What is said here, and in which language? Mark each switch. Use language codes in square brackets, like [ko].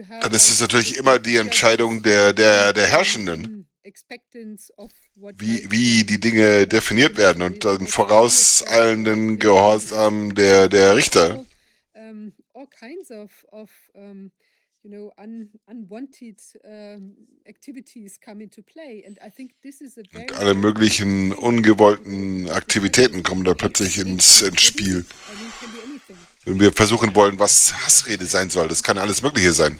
[de] ist es natürlich immer die Entscheidung der Herrschenden, wie die Dinge definiert werden und dann vorauseilenden Gehorsam der Richter. [en] All kinds of you know, unwanted activities come into play, and I think this is a very. [de] Und alle möglichen ungewollten Aktivitäten kommen da plötzlich ins Spiel. Wenn wir versuchen wollen, was Hassrede sein soll, das kann alles Mögliche sein.